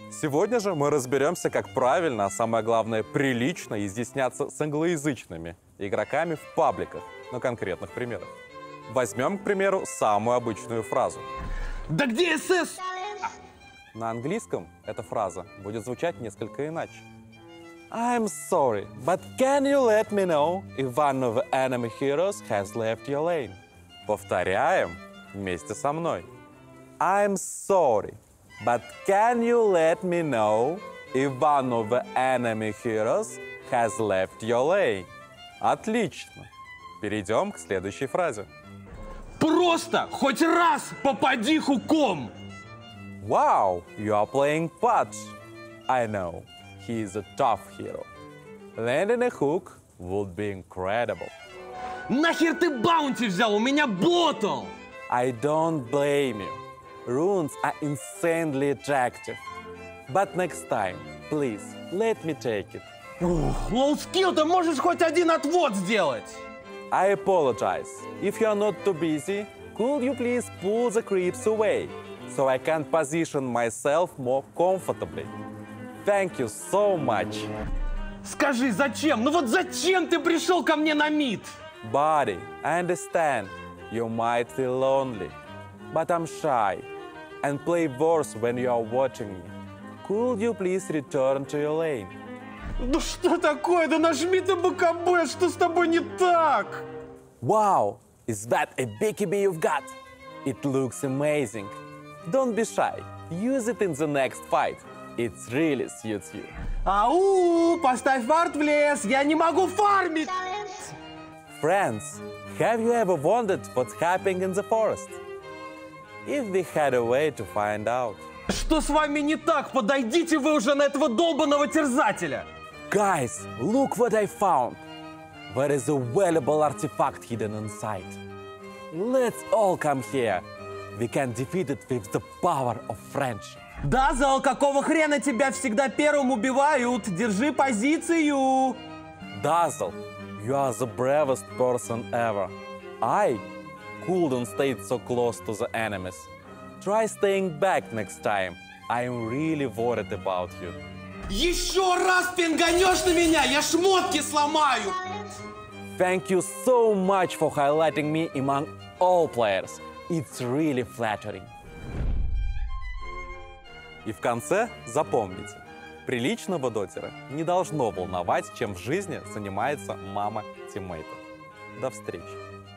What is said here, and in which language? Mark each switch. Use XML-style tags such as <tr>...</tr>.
<ru>Сегодня же мы разберемся, как правильно, а самое главное — прилично изъясняться с англоязычными игроками в пабликах на конкретных примерах. Возьмем, к примеру, самую обычную фразу. Да где СС? На английском эта фраза будет звучать несколько иначе.</ru> <en>I'm sorry, but can you let me know if one of the enemy heroes has left your lane?</en> <ru>Повторяем вместе со мной.</ru> <en>I'm sorry, but can you let me know if one of the enemy heroes has left your lane?</en> <ru>Отлично. Перейдем к следующей фразе. Просто хоть раз попади хуком!</ru> <en>Wow, you are playing Pudge. I know. He is a tough hero. Landing a hook would be incredible.</en> <ru>Нахер ты баунти взял? У меня ботл!</ru> <en>I don't blame you. Runes are insanely attractive. But next time, please, let me take it. Low skill,</en> <ru>ты можешь хоть один отвод сделать?</ru> <en>I apologize. If you are not too busy, could you please pull the creeps away so I can position myself more comfortably? Thank you so much.</en> <ru>Скажи, зачем? Ну вот зачем ты пришел ко мне на мид?</ru> <en>Buddy, I understand. You might feel lonely. But I'm shy. And play worse when you are watching me. Could you please return to your lane?</en> <ru>Ну что такое? Да нажми на БКБ! Что с тобой не так?</ru> <en>Wow, is that a BKB you've got? It looks amazing. Don't be shy. Use it in the next fight. It really suits you.</en> <ru>Ау, поставь фарт в лес, я не могу фармить!</ru> <en>Friends, have you ever wondered what's happening in the forest? If we had a way to find out.</en> <ru>Что с вами не так? Подойдите вы уже на этого долбанного терзателя!</ru> <en>Guys, look what I found. There is a valuable artifact hidden inside. Let's all come here. We can defeat it with the power of friendship.</en> <ru>Дазл, какого хрена тебя всегда первым убивают? Держи позицию!</ru> <en>Дазл, you are the bravest person ever. I couldn't stay so close to the enemies. Try staying back next time. I am really worried about you.</en> <ru>Еще раз пинганешь на меня, я шмотки сломаю!</ru> <en>Thank you so much for highlighting me among all players. It's really flattering.</en> <ru>И в конце запомните, приличного дотера не должно волновать, чем в жизни занимается мама тиммейта. До встречи!</ru>